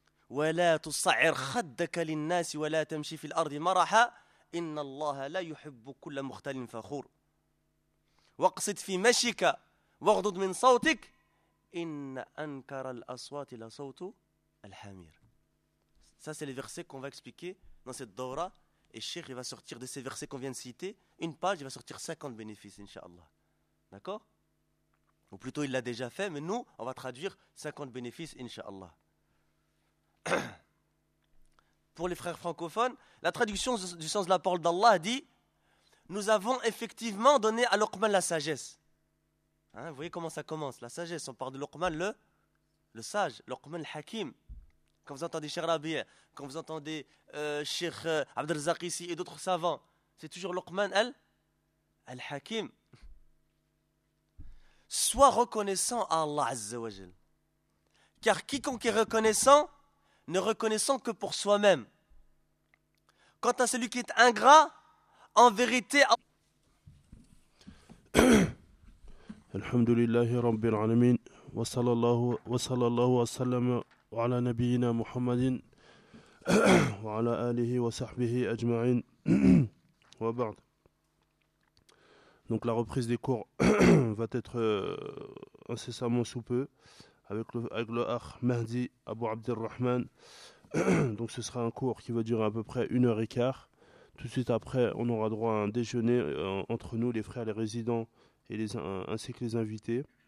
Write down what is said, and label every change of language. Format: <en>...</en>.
<ar>ولا تصعر خدك للناس ولا تمشي في الأرض مرحا إن الله لا يحب كل مختل فخور واقصد في مشيك واغضض من صوتك إن أنكر الأصوات لصوت الحمير.</ar> <fr>Ça, c'est les versets qu'on va expliquer dans cette daura. Et Cheikh, il va sortir de ces versets qu'on vient de citer une page, il va sortir 50 bénéfices, inshallah. D'accord? Ou plutôt, il l'a déjà fait, mais nous, on va traduire 50 bénéfices, inshallah. Pour les frères francophones, la traduction du sens de la parole d'Allah dit: nous avons effectivement donné à Luqman la sagesse. Hein, vous voyez comment ça commence, la sagesse. On parle de Luqman, le sage, Luqman al-Hakim. Quand vous entendez Cheikh Rabi, quand vous entendez Cheikh Abdelrazak ici et d'autres savants, c'est toujours Luqman al-Hakim. Sois reconnaissant à Allah Azza wa Jal. Car quiconque est reconnaissant, ne reconnaissant que pour soi-même. Quant à celui qui est ingrat, en vérité...</fr> <ar>الحمد لله رب العالمين وصلى الله وسلم على نبينا محمد وعلى آله وصحبه أجمعين وبعد.</ar> <fr>Donc la reprise des cours va être incessamment sous peu avec le akh Mahdi Abu Abdelrahman. Donc ce sera un cours qui va durer à peu près 1h15. Tout de suite après, on aura droit à un déjeuner entre nous, les frères, les résidents et ainsi que les invités.</fr>